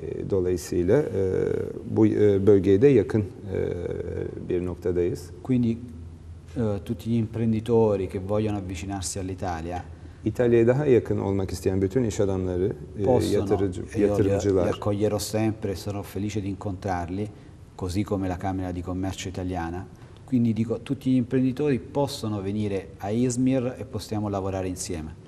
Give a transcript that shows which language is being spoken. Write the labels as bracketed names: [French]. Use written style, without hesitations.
[Turkish] Dolayısıyla bu bölgeye de yakın bir noktadayız. [Italian] Quindi tutti gli imprenditori che vogliono avvicinarsi all'Italia. [Turkish] İtalya'ya daha yakın olmak isteyen bütün iş adamları, yatırımcılar. [Italian] Li accoglierò sempre, sarò felice di incontrarli, così come la Camera di Commercio Italiana. Quindi dico tutti gli imprenditori possono venire a Izmir e possiamo lavorare insieme.